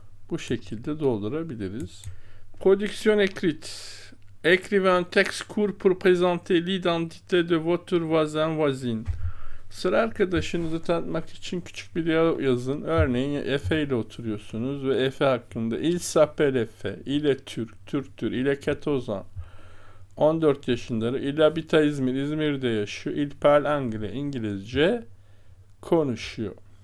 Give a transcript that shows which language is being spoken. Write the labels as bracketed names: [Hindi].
[Turkish] Bu şekilde doldurabiliriz. [French] Production écrite. Écrivez un texte court pour présenter l'identité de votre voisin voisine. [Turkish] Sıra arkadaşınızı tanıtmak için küçük bir diyalog yazın. Örneğin Efe ile oturuyorsunuz ve Efe hakkında [French] il s'appelle Efe, il est Türk, [Turkish] Türktür, [French] il est 14 ans, [Turkish] 14 yaşındadır, [French] il habite à İzmir, [Turkish] İzmir'de yaşıyor, [French] il parle anglais, [Turkish] İngilizce konuşuyor.